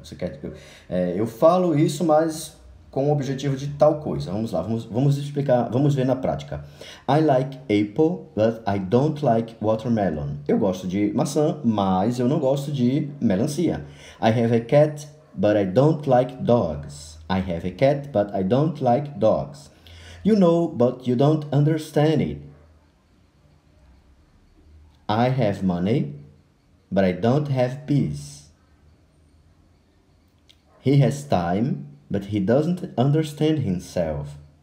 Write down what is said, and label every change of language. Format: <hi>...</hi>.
<pt>Você quer que eu falo isso, mas com o objetivo de tal coisa. Vamos lá, vamos explicar, vamos ver na prática.</pt> <en>I like apple, but I don't like watermelon.</en> <pt>Eu gosto de maçã, mas eu não gosto de melancia.</pt> <en>I have a cat. But I don't like dogs. I have a cat, but I don't like dogs. You know, but you don't understand it. I have money, but I don't have peace. He has time, but he doesn't understand himself.</en>